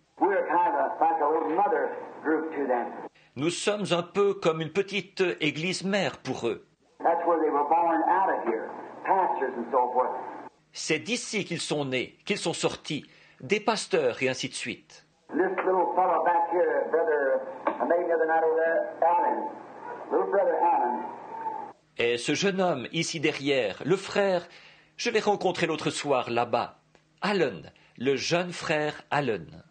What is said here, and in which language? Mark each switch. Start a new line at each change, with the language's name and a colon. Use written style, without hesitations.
English: We are kind of like a little mother group to them.
French: Nous sommes un peu comme une petite église mère pour eux.
English: That's where they were born out of here. Pastors and so forth.
French: C'est d'ici qu'ils sont nés, qu'ils sont sortis, des pasteurs et ainsi de suite.
English: This little fellow back here, brother, I met him the other night over there, Alan, little brother Alan.
French: Et ce jeune homme ici derrière, le frère, je l'ai rencontré l'autre soir là-bas, Alan, le jeune frère Alan.